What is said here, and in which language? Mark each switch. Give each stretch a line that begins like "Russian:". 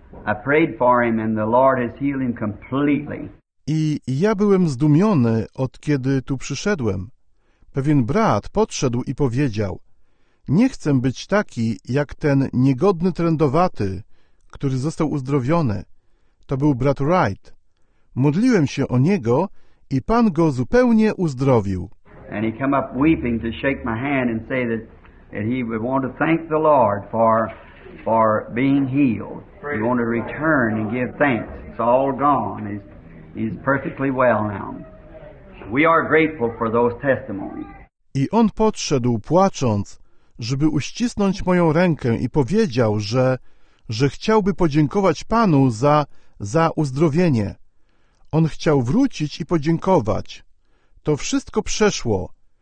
English: I prayed for him and the Lord has healed him completely.
Polish: I ja byłem zdumiony, od kiedy tu przyszedłem. Pewien brat podszedł i powiedział, nie chcę być taki jak ten niegodny trędowaty, który został uzdrowiony. To był brat Wright. Modliłem się o niego i Pan go zupełnie uzdrowił.
English: And he came up weeping to shake my hand and say that he would want to thank the Lord for being healed. He wanted to return and give thanks. It's all gone. He's perfectly well now. We are grateful for those testimonies.
Polish: I on podszedł płacząc, żeby uścisnąć moją rękę i powiedział, że chciałby podziękować Panu za uzdrowienie. On chciał wrócić i podziękować. To wszystko przeszło.